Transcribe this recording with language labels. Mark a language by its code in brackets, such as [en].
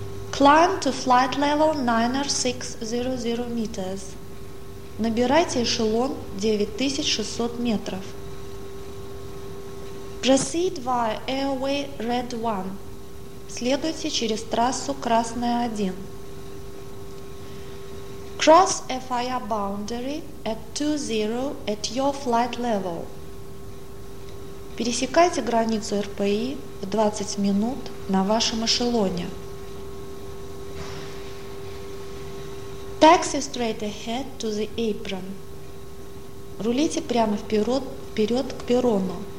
[en] Climb to flight level 9600 meters. [ru] Набирайте эшелон 9600 метров. [en] Proceed via airway red 1. [ru] Следуйте через трассу красная 1. [en] Cross FIR boundary at 20 at your flight level. [ru] Пересекайте границу РПИ в 20 минут на вашем эшелоне. [en] Taxi straight ahead to the apron. [ru] Рулите прямо вперед к перрону.